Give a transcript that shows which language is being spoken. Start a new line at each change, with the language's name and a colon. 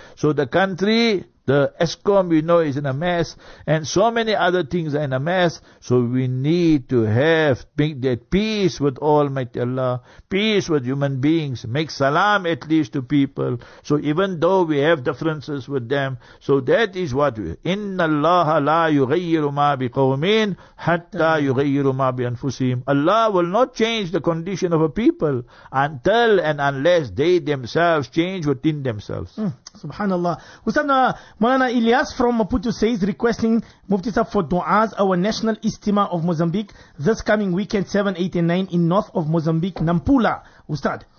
English: So the country, the ESCOM, we know, is in a mess. And so many other things are in a mess. So we need to have, make that peace with Almighty Allah. Peace with human beings. Make salam at least to people. So even though we have differences with them. So that is what we,
Arabic: إِنَّ اللَّهَ لَا يُغَيِّرُ مَا بِقَوْمٍ حَتَّى يُغَيِّرُ مَا بِأَنفُسِهِمْ.
English: Allah will not change the condition of a people until and unless they themselves change within themselves. Subhanallah. Usana Malana Ilyas from Maputo says, requesting Mufti Sahab for Duas, our national istima of Mozambique, this coming weekend 7, 8 and 9 in north of Mozambique, Nampula. Ustad.